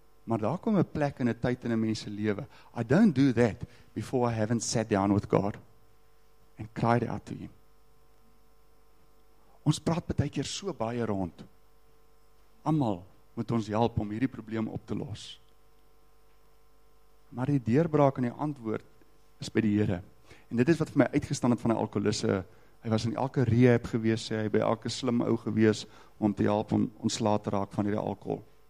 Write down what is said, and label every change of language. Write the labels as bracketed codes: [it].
[af] Maar daar kom 'n plek en 'n tyd in 'n mens se lewe. [en] I don't do that before I haven't sat down with God and cried out to him. [af] Ons praat baie keer so baie rond. Almal moet ons help om hierdie probleem op te los. Maar die deurbraak en die antwoord is by die Here. En dit is wat vir my uitgestaan het van 'n alkoholiste. Hy was in elke rehab gewees, sê hy, by elke slim ou gewees, om te help om ontslaa te raak van die alkohol.